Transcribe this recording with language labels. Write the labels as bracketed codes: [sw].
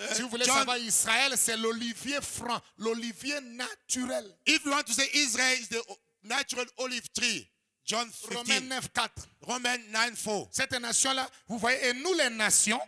[fr] si vous voulez savoir Israël, c'est l'olivier franc, l'olivier naturel. [en] If you want to say Israel is the natural olive tree, John 15. [fr] Romains 9:4. Cette nation-là, vous voyez, et nous les nations,